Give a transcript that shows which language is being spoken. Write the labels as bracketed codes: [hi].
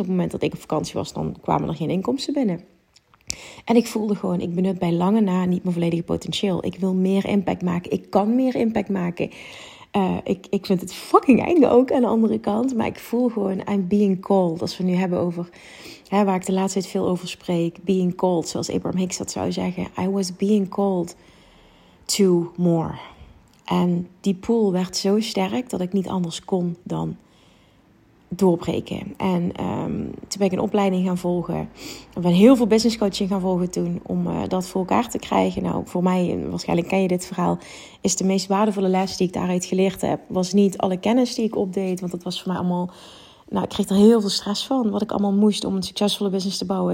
[nl] Op het moment dat ik op vakantie was, dan kwamen er geen inkomsten binnen. En ik voelde gewoon, ik benut bij lange na niet mijn volledige potentieel. Ik wil meer impact maken. Ik kan meer impact maken. Ik vind het fucking eng ook aan de andere kant. Maar ik voel gewoon, [en] I'm being called. [nl] Als we nu hebben over, hè, waar ik de laatste tijd veel over spreek. [en] Being called, [nl] zoals Abraham Hicks dat zou zeggen. [en] I was being called to more. [nl] En die pool werd zo sterk dat ik niet anders kon dan doorbreken. En toen ben ik een opleiding gaan volgen. Ik ben heel veel business coaching gaan volgen toen om dat voor elkaar te krijgen. Nou, voor mij, waarschijnlijk ken je dit verhaal, is de meest waardevolle les die ik daaruit geleerd heb, was niet alle kennis die ik opdeed, want dat was voor mij allemaal, nou, ik kreeg er heel veel stress van, wat ik allemaal moest om een succesvolle business te bouwen.